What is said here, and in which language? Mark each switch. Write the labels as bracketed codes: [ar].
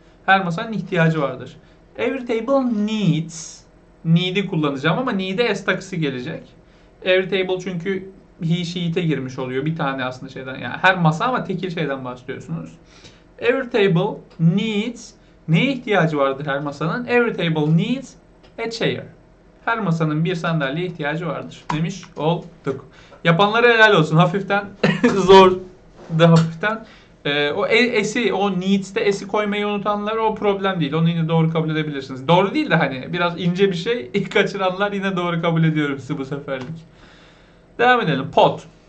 [tr] Her masanın ihtiyacı vardır. [en] Every table needs. [tr] Need'i kullanacağım ama need'e s takısı gelecek. [en] Every table [tr] çünkü he, she, it'e girmiş oluyor. Bir tane aslında şeyden. Yani her masa ama tekil şeyden başlıyorsunuz. [en] Every table needs. [tr] Neye ihtiyacı vardır her masanın? [en] Every table needs a chair. [tr] Her masanın bir sandalyeye ihtiyacı vardır. Demiş olduk. Yapanlara helal olsun. Hafiften zor da hafiften. O esi, o needs'te esi koymayı unutanlar o problem değil. Onu yine doğru kabul edebilirsiniz. Doğru değil de hani biraz ince bir şey. İlk kaçıranlar yine doğru kabul ediyorum sizi bu seferlik. Devam edelim. Pot.